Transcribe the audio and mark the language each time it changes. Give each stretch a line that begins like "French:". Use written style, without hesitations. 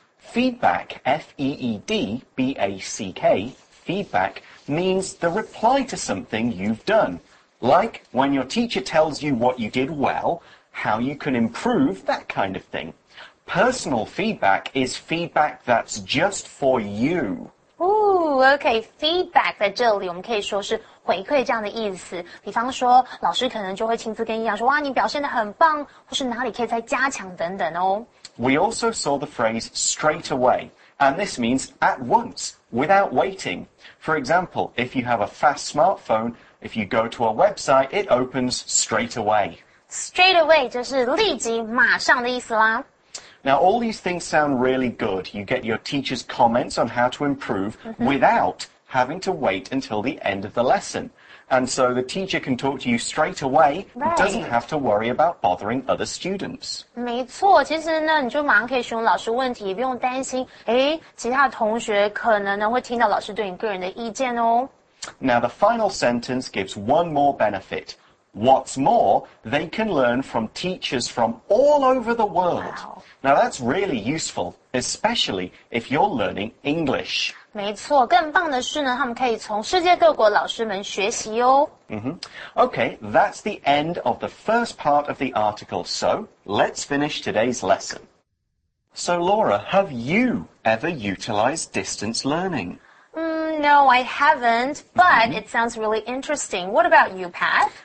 English: Feedback, F-E-E-D-B-A-C-K, feedback, means the reply to something you've done. Like when your teacher tells you what you did well, how you can improve, that kind of thing. Personal feedback is feedback that's just for you.
Chinese: Ooh, okay, feedback 在这里我们可以说是回馈这样的意思。比方说老师可能就会亲自跟一样说哇你表现得很棒或是哪里可以再加强等等哦。
English: We also saw the phrase straight away, and this means at once, without waiting. For example, if you have a fast smartphone, if you go to a website, it opens straight away.
Chinese: Straight away 就是立即马上的意思啦。
English: Now, all these things sound really good. You get your teacher's comments on how to improve without having to wait until the end of the lesson. And so the teacher can talk to you straight away, doesn't have to worry about bothering other students.
Chinese: 没错，其实呢，你就马上可以询问老师问题，不用担心，诶，其他同学可能呢，会听到老师对你个人的意见哦。
English: Now, the final sentence gives one more benefit. What's more, they can learn from teachers from all over the world. Wow. Now that's really useful, especially if you're learning English.
Chinese: 没错，更棒的是呢，他们可以从世界各国老师们学习哦。
English: Okay, that's the end of the first part of the article. So, let's finish today's lesson. So, Laura, have you ever utilized distance learning? No, I haven't, but it sounds really interesting. What about you, Pat?